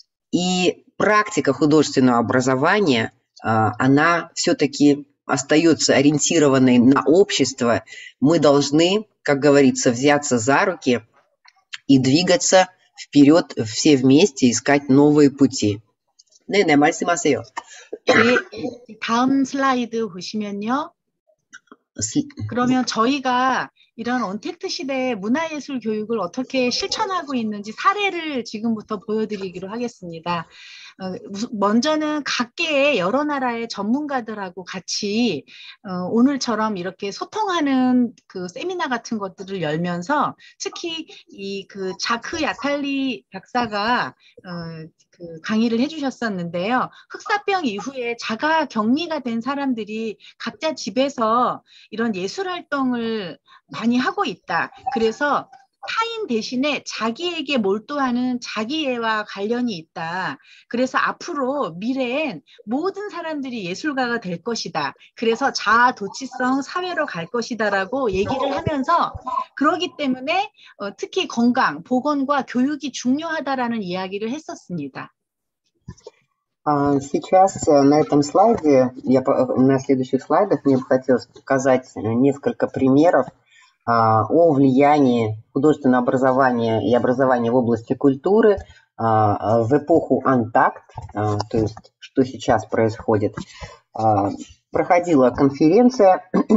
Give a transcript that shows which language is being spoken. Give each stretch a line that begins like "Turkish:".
Russian: И практика художественного образования, она все-таки остается ориентированной на общество. Мы должны, как говорится, взяться за руки и двигаться вперед все вместе, искать новые пути.
Korean: 네네, 말씀하세요. 다음 슬라이드 보시면요. 그러면 저희가 이런 언택트 시대의 문화예술 교육을 어떻게 실천하고 있는지 사례를 지금부터 보여드리기로 하겠습니다. 먼저는 각계의 여러 나라의 전문가들하고 같이 오늘처럼 이렇게 소통하는 그 세미나 같은 것들을 열면서 특히 이 그 자크 야탈리 박사가 그 강의를 해주셨었는데요. 흑사병 이후에 자가 격리가 된 사람들이 각자 집에서 이런 예술 활동을 많이 하고 있다. 그래서 타인 대신에 자기에게 몰두하는 자기애와 관련이 있다. 그래서 앞으로 미래엔 모든 사람들이 예술가가 될 것이다. 그래서 자아 도취성 사회로 갈 것이다 라고 얘기를 하면서 그러기 때문에 특히 건강, 보건과 교육이 중요하다라는 이야기를 했었습니다.
Russian: Сейчас на этом слайде, на следующих слайдах мне бы хотелось показать несколько примеров о влиянии художественного образования и образования в области культуры в эпоху Антакт, то есть что сейчас происходит. Проходила конференция